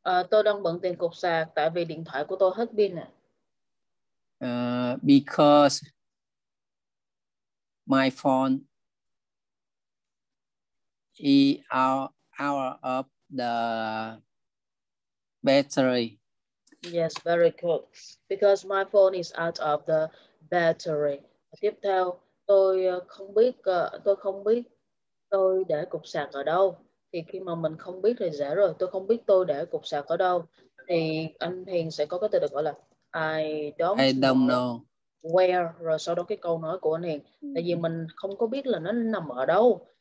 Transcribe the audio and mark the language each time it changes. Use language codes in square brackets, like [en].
[vi] Tôi đang bận tìm cục sạc tại vì điện thoại của tôi hết pin. [en] Because my phone is out of the battery. Yes, very cool. Because my phone is out of the battery. [vi] Tiếp theo, tôi không biết tôi để cục sạc ở đâu. Thì khi mà mình không biết thì dễ rồi. Tôi không biết tôi để cục sạc ở đâu. Thì anh Hiền sẽ có cái từ được gọi là [en] I don't know where. [vi] Rồi sau đó cái câu nói của anh Hiền. Tại vì mình không có biết là nó nằm ở đâu.